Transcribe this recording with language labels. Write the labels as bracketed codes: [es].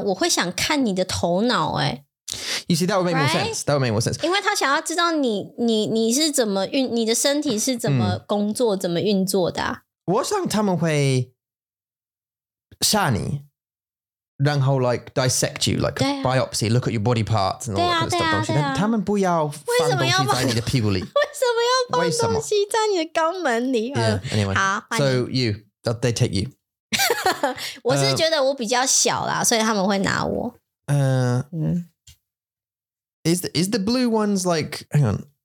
[zh] 但是他们说认说外星人会来他们会哪里为什么他会需要你的屁股我不懂然后他们会放东西在你的屁股里如果我是外星人我会想看你的头脑诶 [en] You see, that would make more sense. That would make more sense. [zh] 因为他想要知道你是怎么运你的身体是怎么工作怎么运作的我想他们会杀你 然后 [en] like dissect you, like biopsy, look at your body parts and all that kind of stuff. [zh] 他们不要放东西在你的屁股里。为什么要放东西在你的肛门里? [en] Yeah, anyway. [zh] 好, [en] so you, they take you. [zh] 我是觉得我比较小啦, 所以他们会拿我。 [en] Is the blue ones like, hang on.